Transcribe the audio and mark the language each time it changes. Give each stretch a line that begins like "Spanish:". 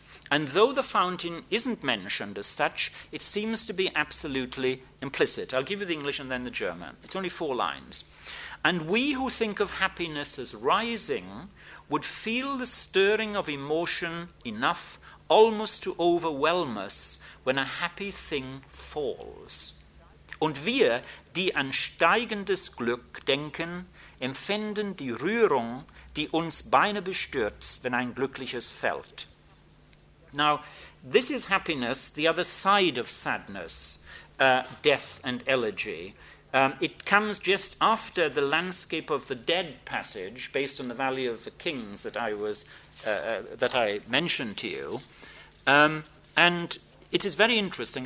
English: And though the fountain isn't mentioned as such, it seems to be absolutely implicit. I'll give you the English and then the German. It's only four lines. And we who think of happiness as rising would feel the stirring of emotion enough almost to overwhelm us when a happy thing falls.
German: Und wir, die an steigendes Glück denken, empfinden die Rührung, die uns beinahe bestürzt, wenn ein glückliches fällt.
English: Now, this is happiness, the other side of sadness, death and elegy. It comes just after the landscape of the dead passage, based on the Valley of the Kings that I was that I mentioned to you, and it is very interesting.